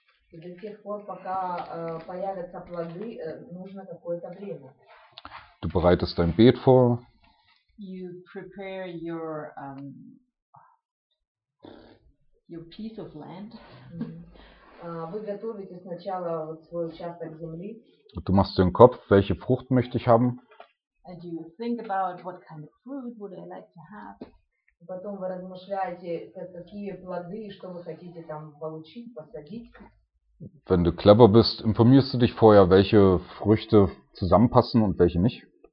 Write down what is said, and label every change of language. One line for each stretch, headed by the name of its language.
Russian: И до тех пор, пока появятся плоды, нужно какое-то время.
German: Du bereitest dein Beet vor.
English: You prepare your your piece of land.
Russian: Вы готовите сначала вот свой участок земли.
German: Du machst dir den Kopf, welche Frucht möchte ich haben?
English: And you think about what kind of fruit would I like to have?
Russian: Потом вы размышляете, какие плоды, что вы хотите там получить, посадить.
German: Wenn du clever bist, informierst du dich vorher, welche Früchte zusammenpassen und welche nicht.